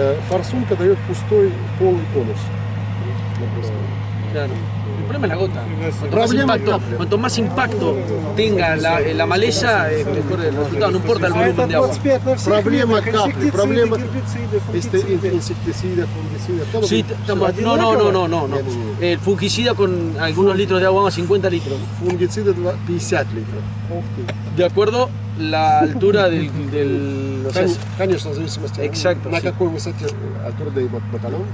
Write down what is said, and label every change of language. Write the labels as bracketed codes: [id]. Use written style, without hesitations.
[ru] Форсунка дает пустой полый конус. [es] El problema es la gota. Cuanto más impacto tenga la maleza, mejor el resultado. No importa el volumen de agua. [ru] Проблема капли, проблема инсектицида, фунгицида. [es] No. El fungicida con algunos litros de agua, 50 litros. Fungicida 50 litros. De acuerdo la altura del exacto. [ru] ¿На какой высоте [es] altura del batalón?